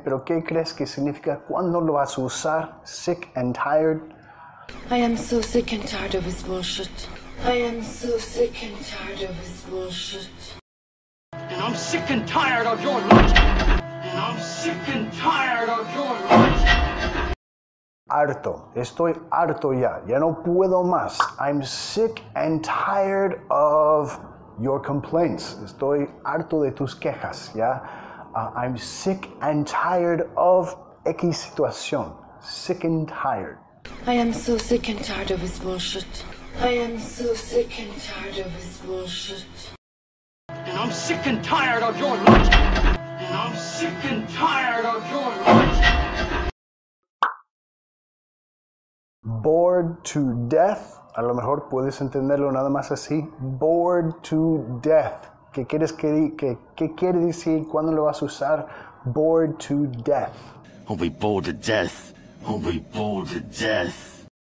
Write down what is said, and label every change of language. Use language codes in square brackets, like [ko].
[es] Pero ¿qué crees que significa? ¿Cuándo lo vas a usar? [en] Sick and tired. I am so sick and tired of his bullshit. I am so sick and tired of his bullshit. And I'm sick and tired of your logic. And I'm sick and tired of your logic. [es] Harto, estoy harto ya, ya no puedo más. [en] I'm sick and tired of your complaints. [es] Estoy harto de tus quejas, ya. [en] I'm sick and tired of X situación. Sick and tired. I am so sick and tired of his bullshit. I am so sick and tired of his bullshit. And I'm sick and tired of your logic. And I'm sick and tired of your logic. Bored to death, [es] a lo mejor puedes entenderlo nada más así. [en] Bored to death. [es] ¿Qué quieres que diga? ¿Qué quiere decir? ¿Cuándo lo vas a usar? [en] Bored to death. I'll be bored to death. I'll be bored to death.